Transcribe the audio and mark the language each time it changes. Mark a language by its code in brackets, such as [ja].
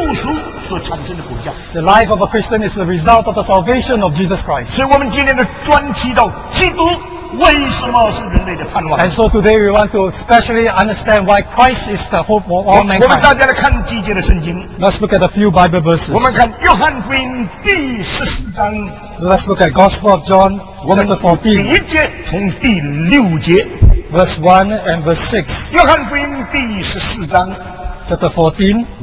[en] The life of a Christian is the result of the salvation of Jesus Christ. [zh] 所以我们今天的专题到基督为什么是人类的盼望。 [en] And so today we want to especially understand why Christ is the hope of all mankind. [zh] 我们大家来看几节的圣经。 [en] Let's look at a few Bible verses. [zh] 我们看约翰福音第十四章。 [en] Let's look at Gospel of John, chapter 14. [zh] 第一节从第六节。 [en] Verse 1 and verse 6. [zh] 约翰福音第十四章。 [en] Chapter 14.